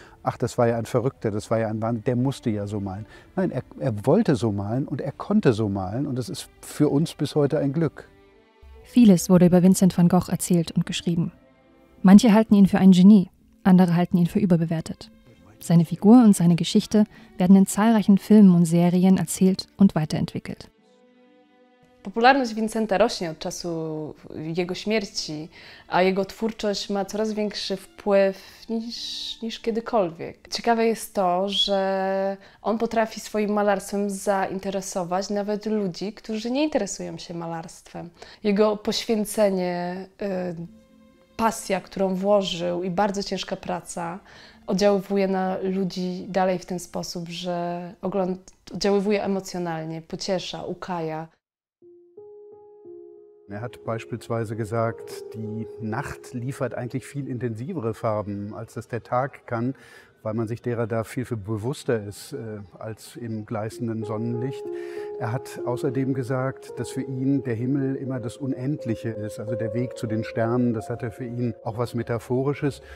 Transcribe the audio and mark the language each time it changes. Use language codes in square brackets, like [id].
[de] ach, das war ja ein Verrückter, das war ja ein Wahnsinn, der musste ja so malen. Nein, er wollte so malen und er konnte so malen und das ist für uns bis heute ein Glück. Vieles wurde über Vincent van Gogh erzählt und geschrieben. Manche halten ihn für ein Genie, andere halten ihn für überbewertet. Seine Figur und seine Geschichte werden in zahlreichen Filmen und Serien erzählt und weiterentwickelt. [pl] Popularność Vincenta rośnie od czasu jego śmierci, a jego twórczość ma coraz większy wpływ niż kiedykolwiek. Ciekawe jest to, że on potrafi swoim malarstwem zainteresować nawet ludzi, którzy nie interesują się malarstwem. Jego poświęcenie, pasja, którą włożył i bardzo ciężka praca oddziaływuje na ludzi dalej w ten sposób, że oddziaływuje emocjonalnie, pociesza, ukaja. [de] Er hat beispielsweise gesagt, die Nacht liefert eigentlich viel intensivere Farben, als das der Tag kann, weil man sich derer da viel, viel bewusster ist als im gleißenden Sonnenlicht. Er hat außerdem gesagt, dass für ihn der Himmel immer das Unendliche ist, also der Weg zu den Sternen, das hat er für ihn auch was Metaphorisches.